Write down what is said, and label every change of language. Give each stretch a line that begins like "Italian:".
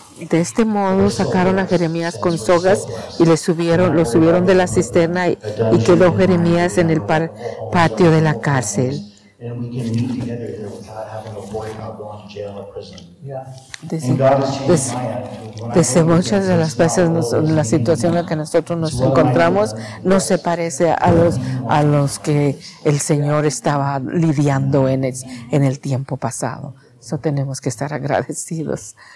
Spanish: De este modo sacaron a Jeremías con sogas y lo subieron de la cisterna y quedó Jeremías en el patio de la cárcel.
English: and we can meet together here without having to worry about going to jail or prison. Yeah. And God has changed my attitude.
Spanish: Dice, muchas de las veces la situación en la que nosotros nos encontramos no se parece a los que el Señor estaba lidiando en el tiempo pasado. Eso tenemos que estar agradecidos.